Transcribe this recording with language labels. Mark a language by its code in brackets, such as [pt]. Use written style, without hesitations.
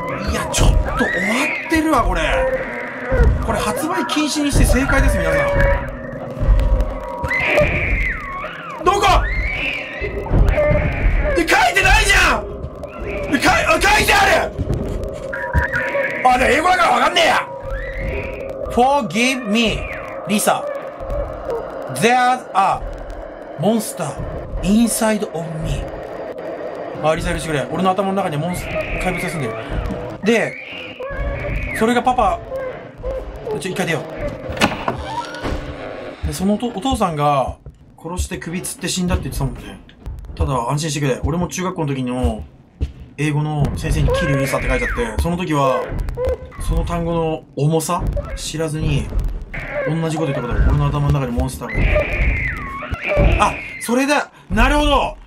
[ja] いや、ちょっと終わってるわ、これ。これ発売禁止にして正解です、皆さん。どこ？で、書いてないじゃん！で、書いてある！あ、じゃあ英語だからわかんねえや！ [en] Forgive me, Lisa. There's a monster inside of me. [ja] あ、リサ許してくれ。俺の頭の中にモンスター、怪物が住んでる。で、それがパパ、ちょ、一回出よう。で、そのお父さんが、殺して首吊って死んだって言ってたもんね。ただ、安心してくれ。俺も中学校の時の、英語の先生にキルリサって書いてあって、その時は、その単語の重さ知らずに、同じこと言ったことある。俺の頭の中にモンスターが。あ、それだ。なるほど。